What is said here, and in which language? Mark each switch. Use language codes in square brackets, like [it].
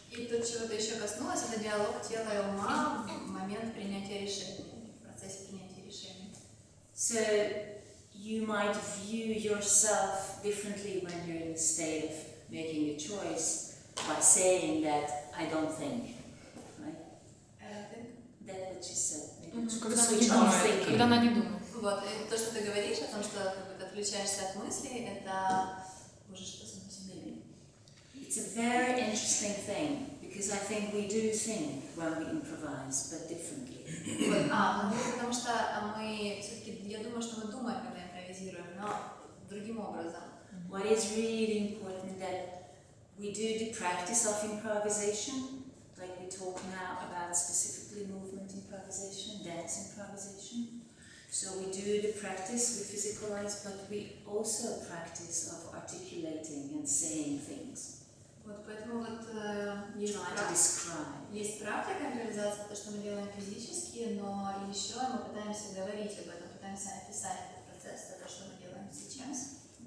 [ru] И тут чего-то еще коснулось, это диалог тела и ума в момент принятия решения, в процессе принятия решения. [en] So, you might view yourself differently when you're in the state of making a choice by saying that, I don't think, right? I don't think. That what you said. [ru] Когда она не думает. Вот, и то, что ты говоришь о том, что ты отключаешься от мыслей, это уже что за мысли? [en] It's a very interesting thing, because I think we do think when we improvise, but differently. [ru] Потому что мы все-таки, я думаю, что мы думаем, когда импровизируем, но в другим образом. [en] What is really important that we do the practice of improvisation, like we talk now about specifically movement improvisation, dance improvisation. So we do the practice, we physicalize, but we also practice of articulating and saying things. [ru] Вот поэтому вот есть практика импровизации, то, что мы делаем физически, но еще мы пытаемся говорить об этом, пытаемся описать этот процесс, то, что мы делаем сейчас.